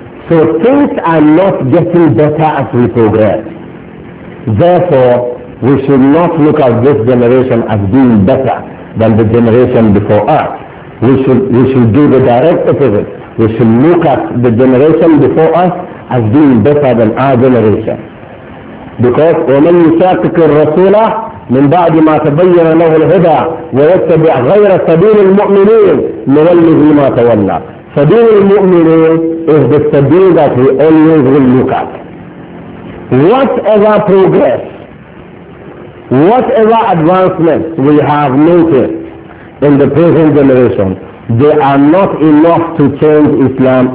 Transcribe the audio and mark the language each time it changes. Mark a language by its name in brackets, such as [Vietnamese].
[English] So things are not getting better as we progress. Therefore, we should not look at this generation as being better than the generation before us. We should do the direct opposite. We should look at the generation before us as being better than our generation. Because [Arabic] وَمَنْ يُشَاقِقِ الرَّسُولَ مِنْ بَعْدِ مَا تَبَيَّنَ لَهُ الْهُدَى وَيَتَّبِعْ غَيْرَ سَبِيلِ الْمُؤْمِنِينَ نُوَلِّهِ مَا تَوَلَّى. [English] Sabeel al-Mu'mineen is the sabeel that we always will look at. Whatever progress, whatever advancement we have noted in the present generation, they are not enough to change Islam.